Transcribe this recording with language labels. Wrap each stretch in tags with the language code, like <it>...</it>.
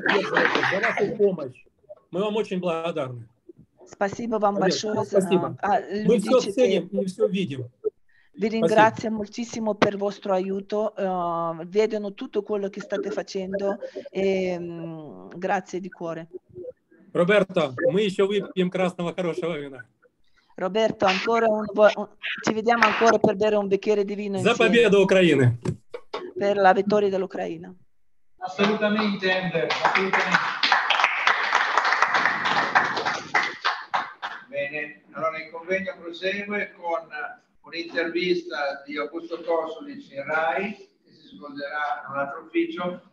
<it>vostra aiuto.</it> <ru>Мы вам очень благодарны. Спасибо вам большое. Мы все видим.</ru> <it>Vi ringrazio moltissimo per vostro aiuto. Vedono tutto quello che state facendo e grazie di cuore.</it> <ru>Roberto, мы еще выпьем красного хорошего вина.</ru> <it>Roberto, ancora ci vediamo ancora per bere un bicchiere di vino.</it> <ru>За победу Украины.</ru> <it>Per la vittoria dell'Ucraina. Assolutamente, Ender. Assolutamente. Bene, allora il convegno prosegue con un'intervista di Augusto Kosulic in Rai, che si svolgerà in un altro ufficio.</it>